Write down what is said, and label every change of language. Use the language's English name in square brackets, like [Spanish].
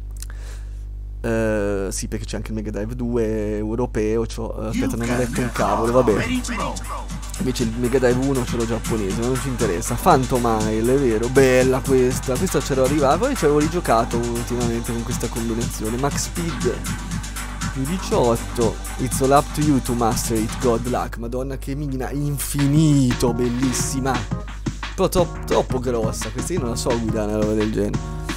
[Italian] Sì, perché c'è anche il Mega Drive 2 europeo, aspetta, non ho letto un cavolo, vabbè. Invece il Mega Drive 1 ce l'ho giapponese, non ci interessa. Phantomile, è vero, bella questa. Questa c'ero arrivata, poi ci avevo rigiocato ultimamente con questa combinazione. Max Speed più 18. [English] It's all up to you to master it, god luck. [Italian] Madonna che mina, infinito, bellissima. Però troppo grossa, questa io non la so guidare una roba del genere.